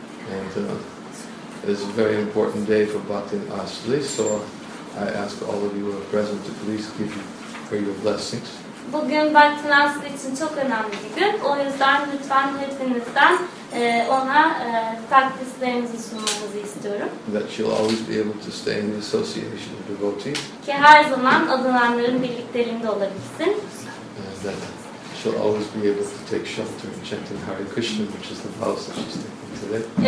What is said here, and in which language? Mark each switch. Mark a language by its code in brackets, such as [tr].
[en] And it's a very important day for Bhaktin Asli, so I ask all of you who are present to please give her your blessings. [tr] Bugün Bhaktin Asli için çok önemli bir gün. O yüzden lütfen hepinizden ona takdislerinizi sunmanızı istiyorum. [en] That she'll always be able to stay in the association of devotees. [tr] Ki her zaman adananların birlikteliğinde olabilsin. [en] She'll always be able to take shelter in chanting Hare Krishna, which is the vows that she's taking today.